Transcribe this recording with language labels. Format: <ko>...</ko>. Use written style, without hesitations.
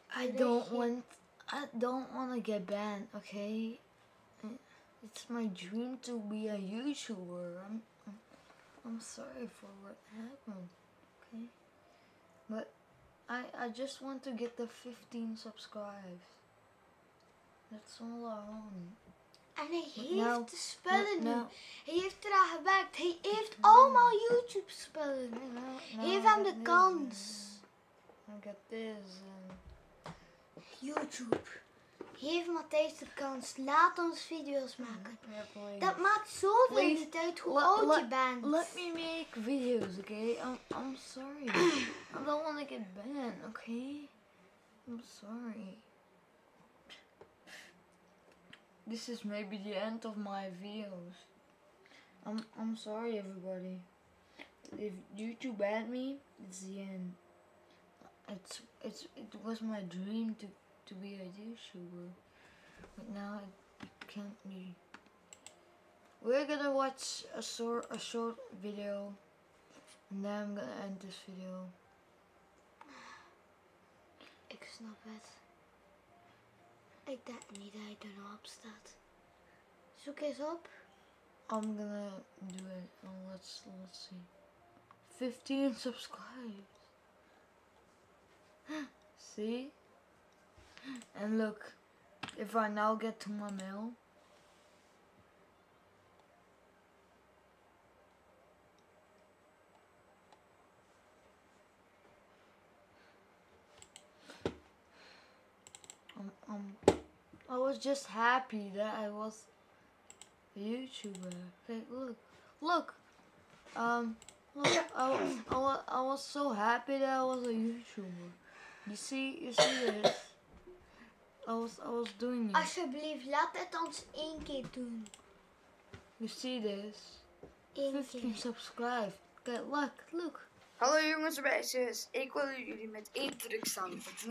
<en>If I don't want to get banned, okay? It's my dream to be a YouTuber. I'm sorry for what happened, okay? But I just want to get the 15 subscribers. That's all I want.</en> <nl>En hij heeft de spullen nu. Hij heeft eraan gewerkt. Hij heeft allemaal YouTube spullen. Hij heeft hem de kans.</nl> <en>I got this.</en> <nl>YouTube. Geef Matthijs de kans. Laat ons video's maken.</nl> <en>Yeah,</en> <nl>dat maakt zoveel niet uit hoe oud je bent.</nl> <en>Let me make videos, okay? I'm sorry. I don't want to get banned, okay? I'm sorry. This is maybe the end of my videos. I'm sorry, everybody. If YouTube banned me, it's the end. It was my dream to be a YouTuber, but now it can't be. We're gonna watch a short video, and then I'm gonna end this video.</en> <nl>Ik snap het. Ik denk niet dat hij er nog op staat. Zoek eens op.</nl> <en>I'm gonna do it. Let's see. 15 subscribers. See? And look, if I now get to my mail. I was just happy that I was a YouTuber. Okay, look. I was so happy that I was a YouTuber. You see this? I was doing it.</en> <nl>Alsjeblieft, laat het ons één keer doen.</nl> <en>You see this? 15 subscribe. Good luck, look.</en> <nl>Hallo jongens en meisjes, ik wil jullie met één truc samen.</nl>